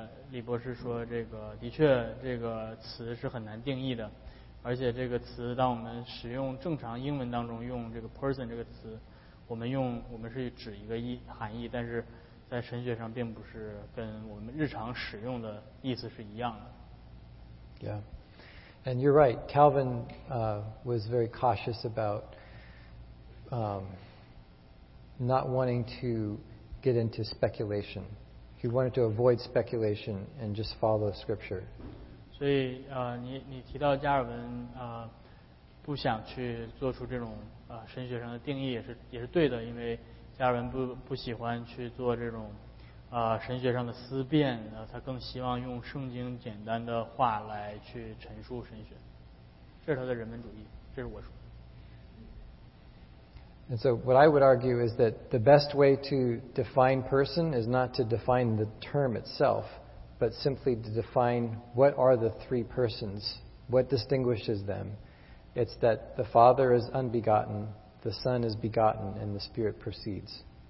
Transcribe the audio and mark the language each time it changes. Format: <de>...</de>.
<zh>李博士说，这个的确，这个词是很难定义的，而且这个词，当我们使用正常英文当中用这个 person 这个词，我们是指一个含义，但是在神学上并不是跟我们日常使用的意思是一样的。</zh> <en>Yeah, and you're right. Calvin was very cautious about not wanting to get into speculation. He wanted to avoid speculation and just follow scripture.</en> <zh>所以你提到加尔文不想去做出这种神学上的定义也是对的，因为加尔文不喜欢去做这种神学上的思辨，他更希望用圣经简单的话来去陈述神学，这是他的人文主义，这是我说。</zh> <en>And so what I would argue is that the best way to define person is not to define the term itself, but simply to define what are the three persons, what distinguishes them. It's that the Father is unbegotten, the Son is begotten, and the Spirit proceeds.</en>